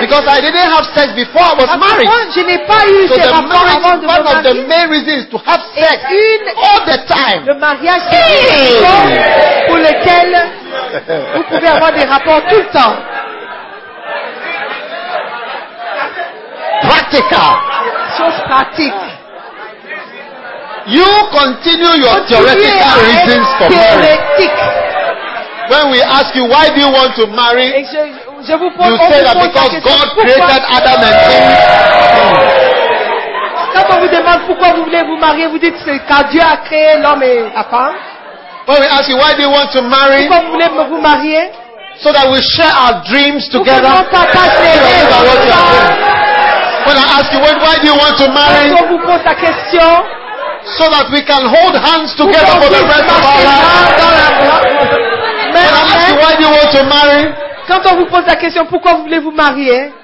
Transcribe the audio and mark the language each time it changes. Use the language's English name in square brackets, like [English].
[English] Because I didn't have sex before I was [French] parce [English] married. [French] Moi, je n'ai pas eu [English] so [French] ces rapports avant de me marier. [English] One of the main reasons to have sex [French] une, [English] all the time. [French] Le mariage c'est hey. Pour lequel vous pouvez avoir des rapports tout le temps. [English] Practical. [French] Chose pratique. [English] You continue your theoretical reasons for marriage. When we ask you, why do you want to marry? You say that because God created Adam and Eve. [French] Quand on vous demande pourquoi vous voulez vous marier, vous dites c'est car Dieu a créé l'homme et la femme. [English] When we ask you, why do you want to marry? [French] Pourquoi vous voulez vous marier? [English] So that we share our dreams together. When I ask you, why do you want to marry? [French] Quand on vous pose la question. [English] So that we can hold hands together for the rest of our lives. When I ask you why do you want to marry? [French] Quand on vous pose la question pourquoi vous voulez vous marier?